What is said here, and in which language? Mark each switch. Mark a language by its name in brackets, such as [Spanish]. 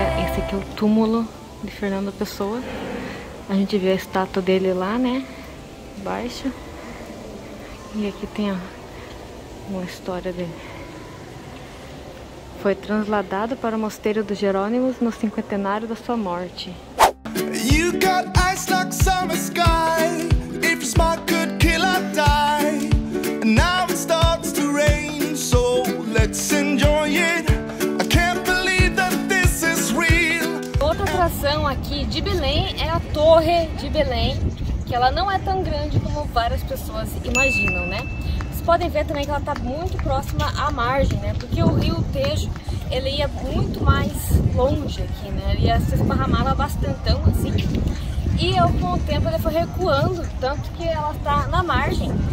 [Portuguese] Esse aqui é o túmulo de Fernando Pessoa. A gente vê a estátua dele lá, né? Baixo. E aqui tem, ó, uma história dele. Foi transladado para o mosteiro dos Jerônimos no cinquentenário da sua morte. [English] You got ice like summer sky. If you smart could kill or die. And now it starts to rain, so let's enjoy it. I can't believe that this is real. [Portuguese] Outra atração aqui de Belém é a Torre de Belém, que ela não é tão grande como várias pessoas imaginam, né? Podem ver também que ela está muito próxima à margem, né? Porque o rio Tejo, ele ia muito mais longe aqui, né? Ele ia se esparramava bastantão assim. E ao com o tempo ele foi recuando, tanto que ela está na margem.